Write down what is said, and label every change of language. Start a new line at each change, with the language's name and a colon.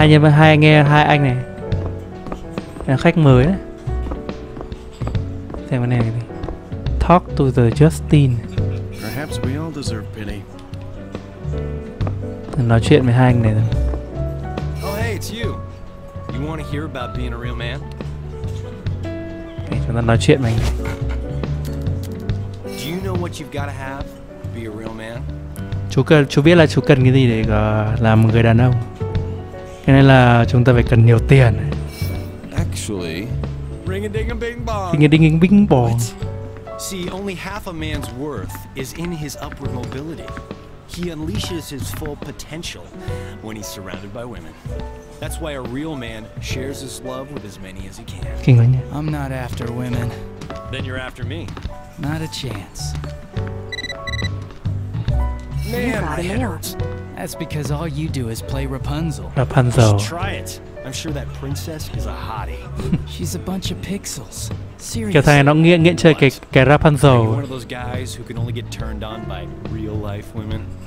Vietnamese: Hai anh này là khách mới này. Xem cái này đi.
English: Talk to the Justin. Perhaps we all deserve pity.
Vietnamese: Nói chuyện với hai anh này.
English: Oh hey, it's you. You want to hear about being a real man?
Vietnamese: Okay, chúng ta nói chuyện với anh này.
English: Do you know what you've got to have to be a real man?
Vietnamese: Chú biết là chú cần cái gì để làm một người đàn ông. Cái này là chúng ta phải cần nhiều tiền.
English: Actually, ring-a-ding-a-bing-bong. See, only half a man's worth is in his upward mobility. He unleashes his full potential when he's surrounded by women. That's why a real man shares his love with as many as he can. I'm not after women. Then you're after me. Not a chance. Man, that hurts. That's because all you do is play Rapunzel. Rapunzel. Try it. I'm sure that princess is a hottie. She's a bunch of pixels.
Vietnamese: Kiểu thằng này nó nghiện chơi cái Rapunzel.
English: Are you one of those guys who can only get turned on by real life women?